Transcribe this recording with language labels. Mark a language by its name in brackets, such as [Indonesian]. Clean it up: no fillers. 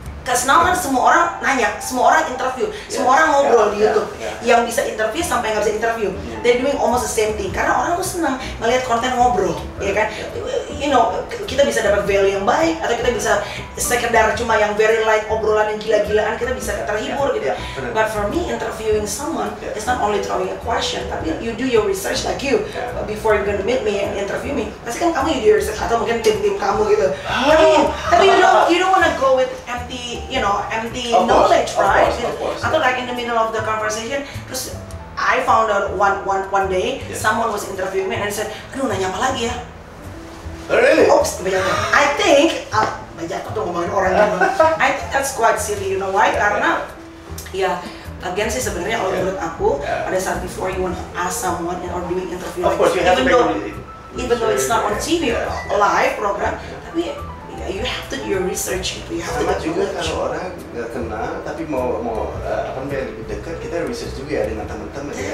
[Indonesian] Karena sekarang kan semua orang nanya, semua orang interview, semua orang ngobrol di YouTube. Yang bisa interview sampai nggak bisa interview, [English] they're doing almost the same thing. [Indonesian] Karena orang tuh senang melihat konten ngobrol, ya kan? You know, kita bisa dapat value yang baik, atau kita bisa sekedar cuma yang [English] very light [Indonesian] obrolan yang gila-gilaan, kita bisa terhibur gitu. [English] But for me, interviewing someone, it's not only throwing a question, tapi you do your research like you before you're gonna meet me and interview me. [Indonesian] Pasti kan kamu [English] you do your research [Indonesian] atau mungkin tim kamu gitu. [English] Tapi you don't wanna go with empty. You know, empty of knowledge, course, right? [Indonesian] Atau [English] like in the middle of the conversation, terus I found out one day someone was interviewing me and said, [Indonesian] aduh nanya apa lagi ya? [English] Really? [Indonesian] Oops, banyak. [English] I think, [Indonesian] banyak tuh ngomongin orang. [English] I think that's quite silly, you know why? [Indonesian] Karena, again sih sebenarnya kalau menurut aku pada saat [English] before you wanna ask someone or doing interview, of course, like, even though it's not on TV, live program, tapi. You have to do your research. You have [Indonesian] sama [English] to [Indonesian] juga kalau orang nggak kenal tapi mau apa namanya lebih dekat, kita research juga ya dengan teman-teman ya.